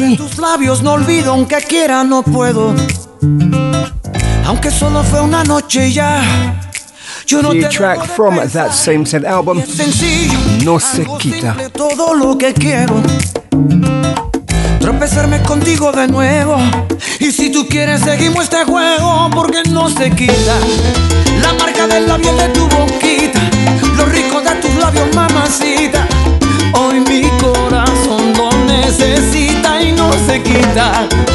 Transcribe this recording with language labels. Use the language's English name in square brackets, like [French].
[Spanish] El sabor de tus labios no olvido, aunque quiera no puedo. Aunque solo fue una noche ya. [English] New track from that same said album, No Se Quita. [Spanish] Todo lo que quiero, tropezarme contigo de nuevo. Y si tú quieres, seguimos este juego, porque no se quita la marca del labio de tu boquita, lo rico de tus labios, mamacita. Hoy mi corazón lo necesita y no se quita.